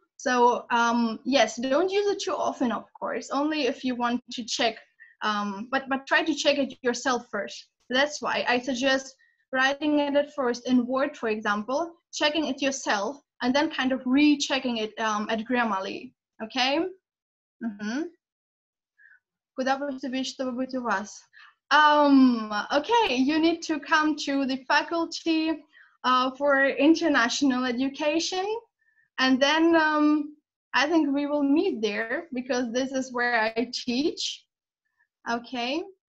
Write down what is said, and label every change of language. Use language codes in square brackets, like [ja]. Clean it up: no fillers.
[en] So yes, don't use it too often, of course, only if you want to check, but try to check it yourself first. That's why I suggest writing it at first in Word, for example, checking it yourself, and then kind of rechecking it at Grammarly, okay? [ru] Куда поступить, чтобы быть у вас? [en] Okay, you need to come to the faculty for international education, and then I think we will meet there, because this is where I teach, okay?